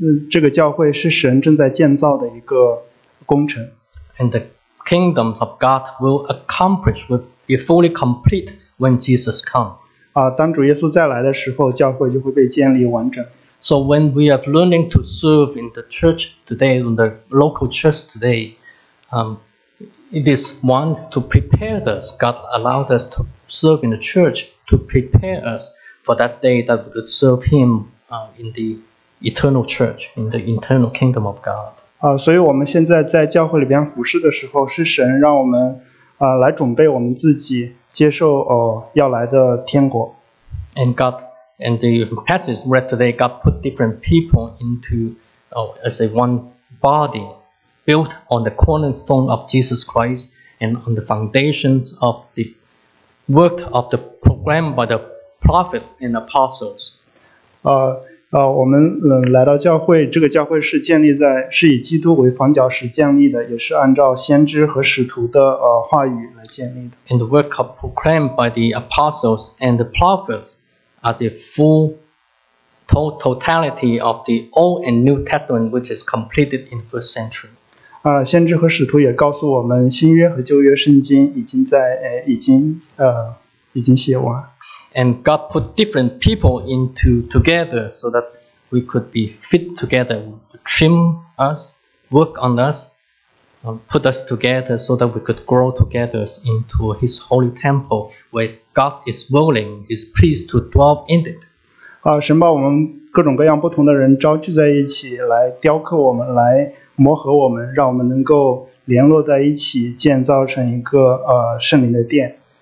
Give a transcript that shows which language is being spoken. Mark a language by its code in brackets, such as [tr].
[zh] 这个教会是神正在建造的一个工程。 [en] And the kingdom of God will accomplish, will be fully complete when Jesus comes. [zh] 当主耶稣再来的时候，教会就会被建立完整。 [en] So when we are learning to serve in the church today, in the local church today, it is one to prepare us. God allowed us to serve in the church to prepare us for that day that we would serve Him in the eternal church, in the eternal kingdom of God. [zh] 所以我们现在在教会里边服事的时候，是神让我们来准备我们自己。接受要来的天国。 [en] And God, and the passage read today, God put different people into as a one body built on the cornerstone of Jesus Christ and on the foundations of the work of the program by the prophets and apostles. [zh] 我们来到教会，这个教会是建立在是以基督为房角石建立的，也是按照先知和使徒的话语来建立的。 [en] And the work of proclaimed by the apostles and the prophets are the full totality of the Old and New Testament, which is completed in the first century. [zh] 先知和使徒也告诉我们，新约和旧约圣经已经在已经写完。 [en] And God put different people into together so that we could be fit together, trim us, work on us, put us together so that we could grow together into His holy temple where God is willing, is pleased to dwell in it. [zh] 神把我们各种各样不同的人召聚在一起，来雕刻我们，来磨合我们，让我们能够联络在一起，建造成一个圣灵的殿。